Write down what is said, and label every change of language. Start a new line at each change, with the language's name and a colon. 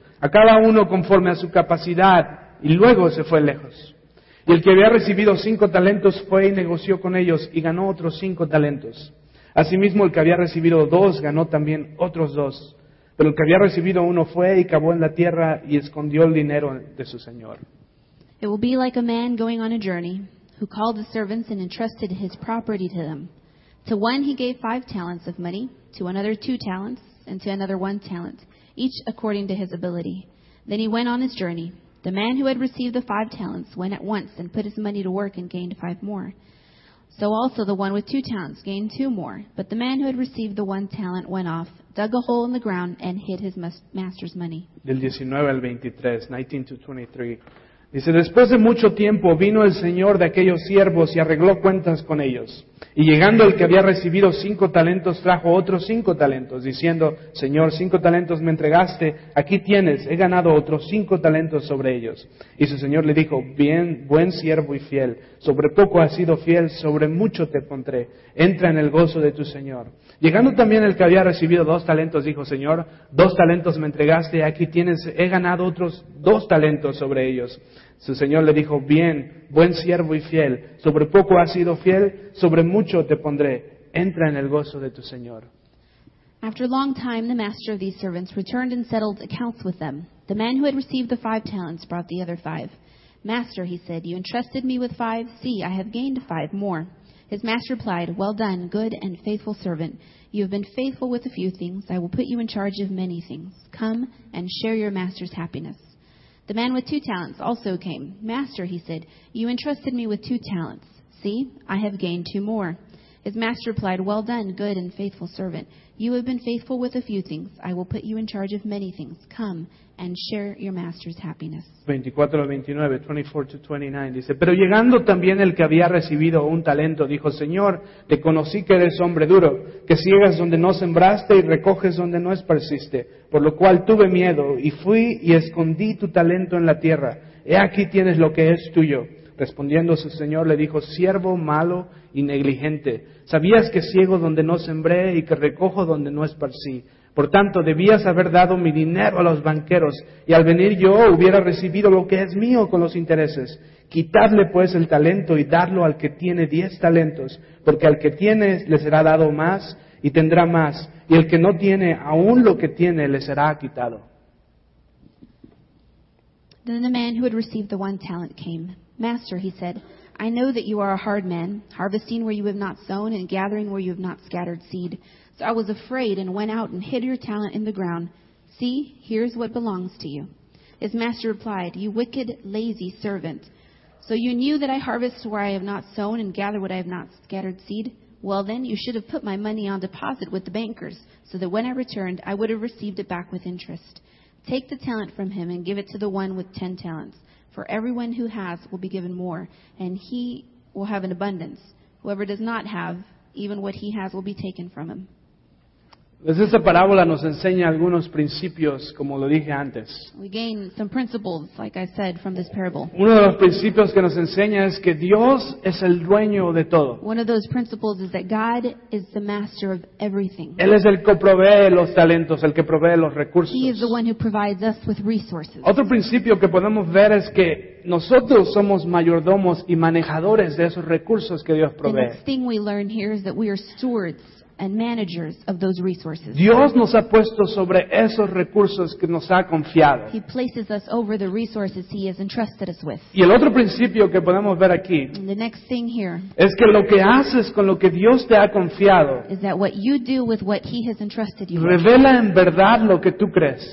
Spanish: A cada uno conforme a su capacidad y luego se fue lejos. Y el que había recibido 5 talentos fue y negoció con ellos y ganó otros 5 talentos. Asimismo, el que había recibido 2 ganó también otros 2. Pero el que había recibido 1 fue y cavó en la tierra y escondió el dinero de su señor.
English: It will be like a man going on a journey who called his servants and entrusted his property to them. To one he gave 5 talents of money, to another 2 talents, and to another 1 talent, each according to his ability. Then he went on his journey. The man who had received the 5 talents went at once and put his money to work and gained 5 more. So also the one with 2 talents gained 2 more. But the man who had received the 1 talent went off, dug a hole in the ground, and hid his master's money.
Spanish: Del 19 al 23,
English: 19 to 23.
Spanish: Dice, después de mucho tiempo vino el señor de aquellos siervos y arregló cuentas con ellos. Y llegando el que había recibido 5 talentos, trajo otros 5 talentos, diciendo, Señor, 5 talentos me entregaste, aquí tienes, he ganado otros 5 talentos sobre ellos. Y su señor le dijo, bien, buen siervo y fiel, sobre poco has sido fiel, sobre mucho te pondré, entra en el gozo de tu señor. Llegando también el que había recibido 2 talentos, dijo, Señor, 2 talentos me entregaste, aquí tienes, he ganado otros 2 talentos sobre ellos. Su señor le dijo, bien, buen siervo y fiel, sobre poco has sido fiel, sobre mucho te pondré, entra en el gozo de tu señor.
English: After a long time, the master of these servants returned and settled accounts with them. The man who had received the 5 talents brought the other 5. Master, he said, you entrusted me with 5, see, I have gained 5 more. His master replied, well done, good and faithful servant. You have been faithful with a few things, I will put you in charge of many things. Come and share your master's happiness. The man with 2 talents also came. Master, he said, you entrusted me with 2 talents. See, I have gained 2 more. His master replied, well done, good and faithful servant. You have been faithful with a few things. I will put you in charge of many things. Come and share your master's happiness.
Spanish: 24 al 29,
English: 24 to 29,
Spanish: dice, pero llegando también el que había recibido un talento, dijo, Señor, te conocí que eres hombre duro, que siegas donde no sembraste y recoges donde no esparciste, por lo cual tuve miedo y fui y escondí tu talento en la tierra. He aquí tienes lo que es tuyo. Respondiendo su señor, le dijo, siervo malo y negligente, sabías que ciego donde no sembré y que recojo donde no esparcí. Por tanto, debías haber dado mi dinero a los banqueros y al venir yo hubiera recibido lo que es mío con los intereses. Quitadle pues el talento y dadlo al que tiene 10 talentos, porque al que tiene le será dado más y tendrá más, y el que no tiene aún lo que tiene le será quitado.
English: Then the man who had received the 1 talent came. Master, he said, I know that you are a hard man, harvesting where you have not sown and gathering where you have not scattered seed. So I was afraid and went out and hid your talent in the ground. See, here is what belongs to you. His master replied, you wicked, lazy servant. So you knew that I harvest where I have not sown and gather what I have not scattered seed? Well then, you should have put my money on deposit with the bankers, so that when I returned, I would have received it back with interest. Take the talent from him and give it to the one with 10 talents. For everyone who has will be given more, and he will have an abundance. Whoever does not have, even what he has will be taken from him.
Spanish: Pues esta parábola nos enseña algunos principios, como lo dije antes.
English: We gain some principles, like I said, from this parable.
Spanish: Uno de los principios que nos enseña es que Dios es el dueño de todo.
English: One of those principles is that God is the master of everything.
Spanish: Él es el que provee los talentos, el que provee los recursos.
English: He is the one who provides us with resources.
Spanish: Otro principio que podemos ver es que nosotros somos mayordomos y manejadores de esos recursos que Dios provee.
English: The next thing we learn here is that we are stewards and managers of those resources.
Spanish: Dios nos ha puesto sobre esos recursos que nos ha confiado.
English: He places us over the resources he has entrusted us with.
Spanish: Y el otro principio que podemos ver aquí,
English: the next thing here,
Spanish: es que lo que haces con lo que Dios te ha confiado,
English: is that what you do with what he has entrusted you with,
Spanish: revela en verdad lo que tú crees.